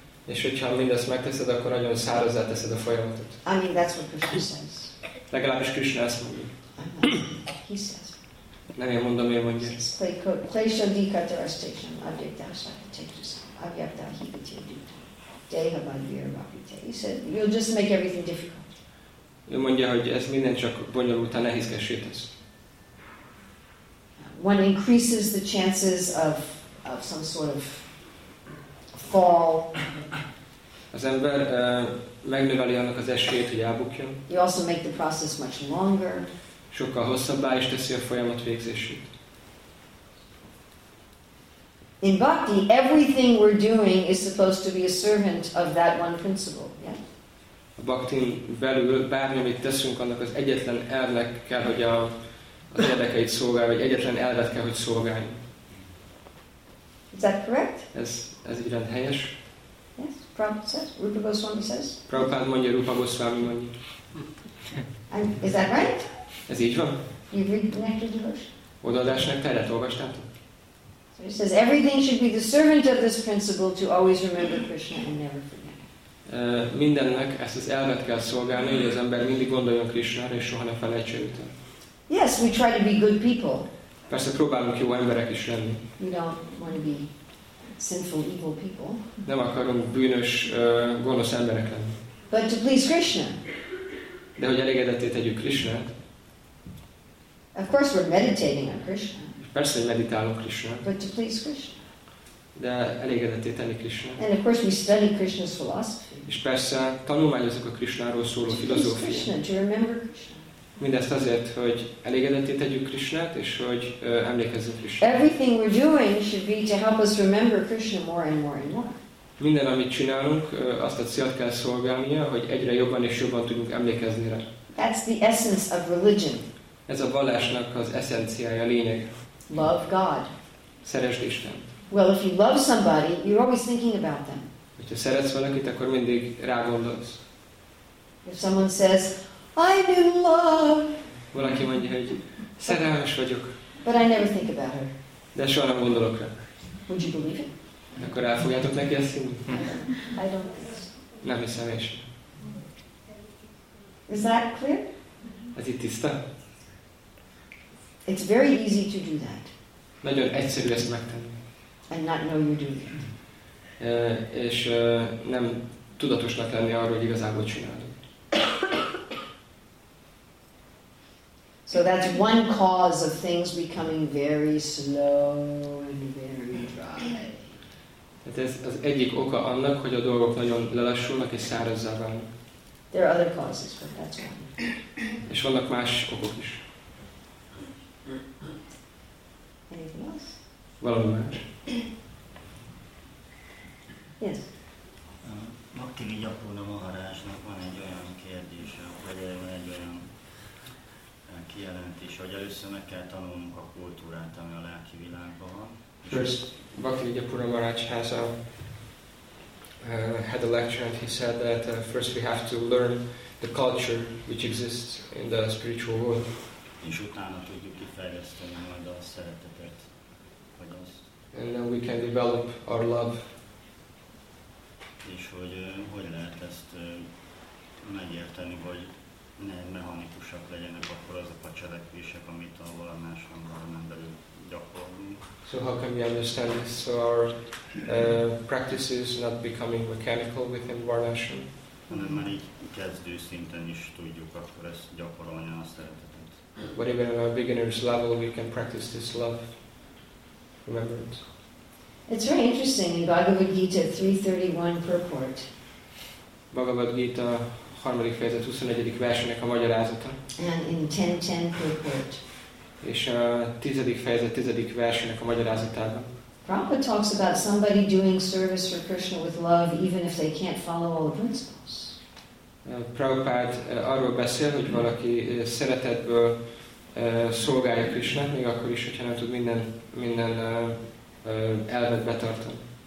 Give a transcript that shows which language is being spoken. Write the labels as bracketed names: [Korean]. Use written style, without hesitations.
[Hungarian] És hogyha mindezt megteszed, akkor nagyon szárazzá teszed a folyamatot. [English] I mean, that's what Krishna says. [Hungarian] Legalábbis Krishna ezt mondja. [English] He says. [Hungarian] Nem én mondom, én mondja. [English] He [Sanskrit] says, Klesha dikatara stetsam avyaktasa tetsam avyakta hivitya dita. Deha bandhira bhakitya. [English] He said, you'll just make everything difficult. [Hungarian] Ő mondja, hogy ez minden csak bonyolulta, nehézkessé tesz. [English] One increases the chances of some sort of fall. [Hungarian] Az ember megnöveli annak az esélyét, hogy elbukjon. [English] You also make the process much longer. [Hungarian] Sokkal hosszabbá is teszi a folyamat végzését. [English] In bhakti, everything we're doing is supposed to be a servant of that one principle. Yeah? [Hungarian] A bhaktin belül bármi, amit teszünk, annak az egyetlen elvnek kell, hogy az érdekeit szolgálja, vagy egyetlen elvet kell, hogy szolgálja. [English] Is that correct? [Hungarian] Ez így rend helyes. [English] Yes, Prabhupada says, Rupa Goswami says. [Hungarian] Prabhupada mondja, Rupa Goswami mondja. [English] And is that right? [Hungarian] Ez így van. [English] You read the Nectar Devotion? [Hungarian] Odaadás nektárját olvastál? [English] So he says, everything should be the servant of this principle to always remember Krishna and never forget. [Hungarian] Mindennek ezt az elvet kell szolgálni, hogy az ember mindig gondoljon Krishnára, és soha ne felejtse őt. [English] Yes, we try to be good people. [Hungarian] Persze próbálunk jó emberek is lenni. [English] We don't want to be sinful, evil people. [Hungarian] Nem akarunk bűnös, gonosz emberek lenni. [English] But to please Krishna. [Hungarian] De hogy elégedetté tegyük Krishnát. [English] Of course we're meditating on Krishna. [Hungarian] Persze, hogy meditálunk Krishnát. [English] But to please Krishna. [Hungarian] De elégedetté tenni Krishnát. [English] And of course we study Krishna's philosophy. [Hungarian] És persze tanulmányozunk a Krishnáról szóló filozófiát. [English] To please Krishna, to remember Krishna. [Hungarian] Mindezt azért, hogy elégedetté tegyük Krishnát, és hogy emlékezzünk Krishnát. [English] Everything we're doing should be to help us remember Krishna more and more and more. [Hungarian] Minden, amit csinálunk, azt a célt kell szolgálnia, hogy egyre jobban és jobban tudjunk emlékezni rá. [English] That's the essence of religion. [Hungarian] Ez a vallásnak az eszenciája, lényeg. [English] Love God. [Hungarian] Szeresd Istent. [English] Well, if you love somebody, you're always thinking about them. [Hungarian] Hogyha szeretsz valakit, akkor mindig rá gondolsz. [English] If someone says, I'm in love. [Hungarian] Valaki mondja, hogy szerelmes vagyok. [English] But I never think about her. [Hungarian] De soha nem gondolok rá. [English] Would you believe it? [Hungarian] Akkor el fogjátok neki ezt hinni? [English] I don't think. [Hungarian] Nem hiszem is. [English] Is that clear? [Hungarian] Ez itt tiszta? [English] It's very easy to do that. [Hungarian] Nagyon egyszerű ezt megtenni. [English] And not know you're doing it. [Hungarian] És nem tudatosnak lenni arról, hogy igazából csinálod. [English] So that's one cause of things becoming very slow and very dry. [Hungarian] Tehát ez az egyik oka annak, hogy a dolgok nagyon lelassulnak és szárazzá válnak. [English] There are other causes, but that's one. [Hungarian] És vannak más okok is. [English] Anything else? [Hungarian] Valami más. [English] Yes. [Hungarian] Maktivi Gyakorna Maharajnak van egy olyan kérdése, hogy van egy olyan kijelentés, hogy először meg kell tanulnunk a kultúrát, ami a lelki világban van. [English] First, Bhaktivedanta Gyakorna Maharaj has had a lecture and he said that first we have to learn the culture which exists in the spiritual world. [Hungarian] És utána tudjuk kifejleszteni majd a szeretetet, vagy azt. [English] And then we can develop our love. [Hungarian] És hogy hogy lehet ezt megérteni, hogy ne mechanikusak legyenek akkor azok a cselekvések, amit a valamás hangarmen belül gyakorlunk. [English] So how can we understand this? So our practices not becoming mechanical within varnashram? [Hungarian] Hanem már így kezdő szinten is tudjuk akkor ezt gyakorolni a szeretetet. [English] But even on a beginner's level we can practice this love, remembrance. It's very interesting in Bhagavad Gita 3.31 purport. [Hungarian] Bhagavad Gita 3. fejezet 21. versének a magyarázata. [English] And in 10.10 purport. [Hungarian] És a 10. fejezet 10. versének a magyarázatában. [English] Prabhupada talks about somebody doing service for Krishna with love even if they can't follow all the principles. [Hungarian] Prabhupada arról beszél, hogy valaki szeretetből szolgálja Krishna, még akkor is, hogyha nem tud minden elvet betartani.